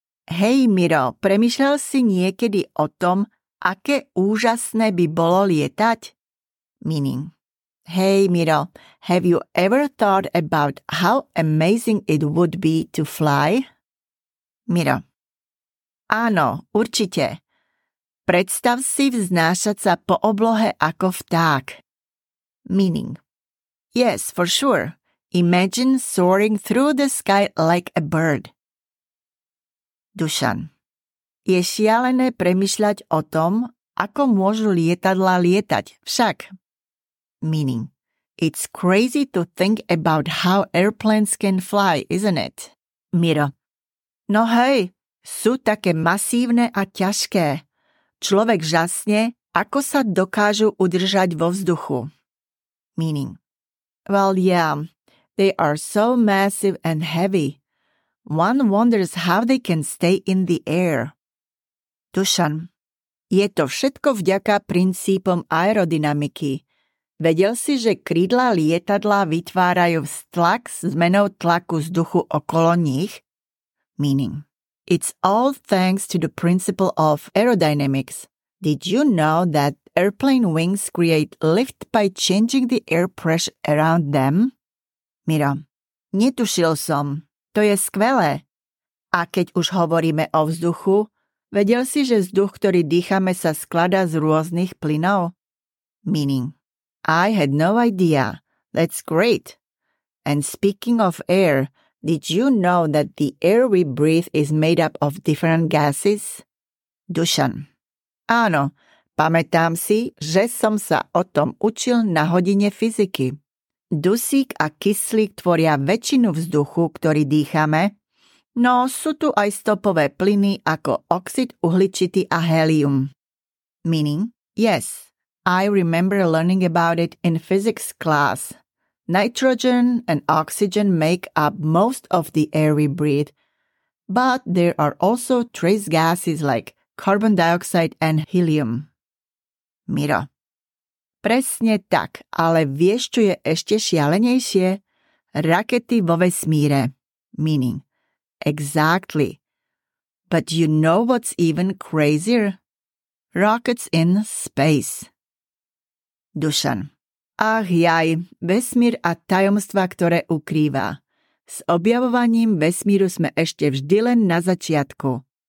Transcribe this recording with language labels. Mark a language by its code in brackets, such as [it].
[sk] Hej, Miro, premýšľal si niekedy o tom, aké úžasné by bolo lietať? [en] Meaning. Hey, Miro, have you ever thought about how amazing it would be to fly? Miro. [sk] Áno, určite. Predstav si vznášať sa po oblohe ako vták. [en] Meaning. Yes, for sure. Imagine soaring through the sky like a bird. Dušan. [sk] Je šialené premyšľať o tom, ako môžu lietadlá lietať, však. [en] Meaning. It's crazy to think about how airplanes can fly, isn't it? Miro. [sk] No hej, sú také masívne a ťažké. Človek žasne, ako sa dokážu udržať vo vzduchu. [en] Meaning. Well, yeah, they are so massive and heavy. One wonders how they can stay in the air. Dušan. [sk] Je to všetko vďaka princípom aerodynamiky. Vedel si, že krídla lietadla vytvárajú vztlak s zmenou tlaku vzduchu okolo nich? [en] Meaning. It's all thanks to the principle of aerodynamics. Did you know that airplane wings create lift by changing the air pressure around them? Miro. [sk] Netušil som. To je skvelé. A keď už hovoríme o vzduchu, vedel si, že vzduch, ktorý dýchame, sa skladá z rôznych plynov? [en] Meaning. I had no idea. That's great. And speaking of air, did you know that the air we breathe is made up of different gases? Dušan. [sk] Áno, pamätám si, že som sa o tom učil na hodine fyziky. Dusík a kyslík tvoria väčšinu vzduchu, ktorý dýchame. No, sú tu aj stopové plyny ako oxid uhličitý a helium. [en] Meaning? Yes. I remember learning about it in physics class. Nitrogen and oxygen make up most of the air we breathe, but there are also trace gases like carbon dioxide and helium. Miro. [sk] Presne tak, ale vieš, čo je ešte šialenejšie? Rakety vo vesmíre. [en] Meaning. Exactly. But you know what's even crazier? Rockets in space. Dušan. [sk] Ach jaj, vesmír a tajomstva, ktoré ukrýva. S objavovaním vesmíru sme ešte vždy len na začiatku.